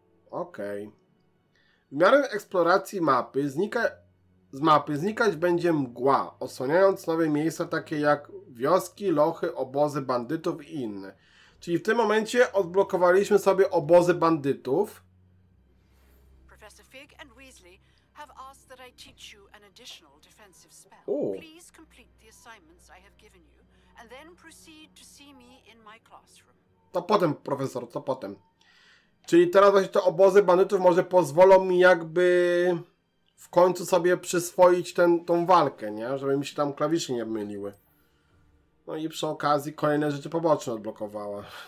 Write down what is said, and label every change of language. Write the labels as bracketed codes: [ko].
[pl] Okej. W miarę eksploracji mapy z mapy znikać będzie mgła, osłaniając nowe miejsca takie jak wioski, lochy, obozy bandytów i inne. Czyli w tym momencie odblokowaliśmy sobie obozy bandytów. [en] Professor Fig and Weasley have asked that I teach you an additional defensive spell. Please complete the assignments I have given you and then proceed to see me in my classroom. [pl] To potem, profesor, to potem. Czyli teraz właśnie te obozy bandytów może pozwolą mi jakby w końcu sobie przyswoić tą walkę, nie? Żeby mi się tam klawisze nie myliły. No i przy okazji kolejne rzeczy poboczne odblokowała.